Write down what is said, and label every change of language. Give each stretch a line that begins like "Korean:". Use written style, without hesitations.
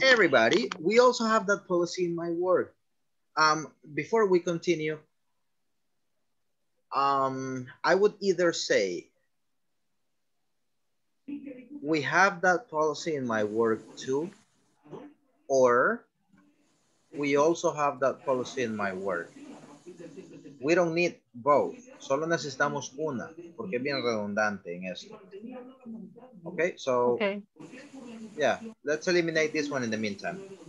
English: Everybody, we also have that policy in my work. Before we continue, I would either say we have that policy in my work too, or we also have that policy in my work. We don't need both.
Spanish: Solo necesitamos una, porque es bien redundante en esto.
English: Okay, let's eliminate this one in the meantime.